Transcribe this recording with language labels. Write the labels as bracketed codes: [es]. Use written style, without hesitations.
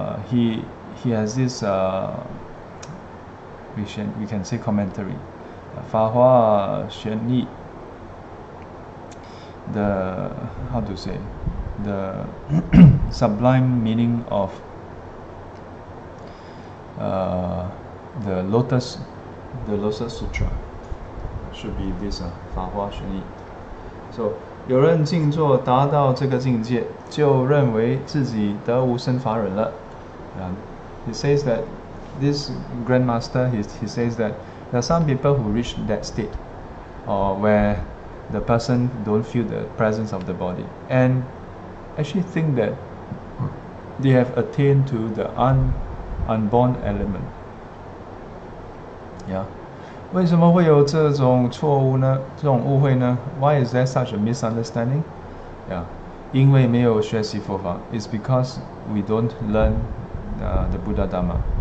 [en] He has this we can say commentary, Fahua Xuan Yi, the how to say the sublime meaning of the Lotus Sutra should be this Fahua Xuan Yi. [zh] So 有人静坐达到这个境界，就认为自己得无生法忍了。 [en] He says that this grandmaster, he says that there are some people who reach that state, or where the person don't feel the presence of the body, and actually think that they have attained to the unborn element. Yeah. [zh] 为什么会有这种错误呢？这种误会呢？ [en] Why is there such a misunderstanding? Yeah, [zh] 因为没有学习佛法, [en] it's because we don't learn the Buddha Dhamma.